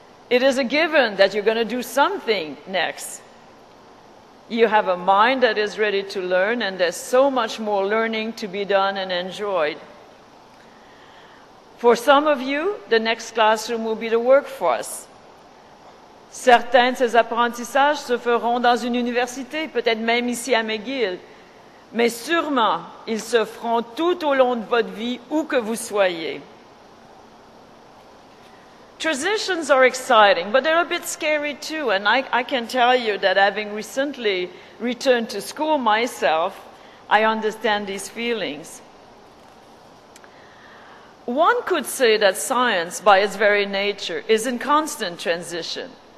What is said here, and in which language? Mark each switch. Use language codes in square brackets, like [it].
[en] It is a given that you're going to do something next. You have a mind that is ready to learn, and there's so much more learning to be done and enjoyed. For some of you, the next classroom will be the workforce. [fr] Certains de ces apprentissages se feront dans une université, peut-être même ici à McGill, mais sûrement ils se feront tout au long de votre vie, où que vous soyez. [en] Transitions are exciting, but they're a bit scary too, and I can tell you that having recently returned to school myself, I understand these feelings. One could say that science, by its very nature, is in constant transition.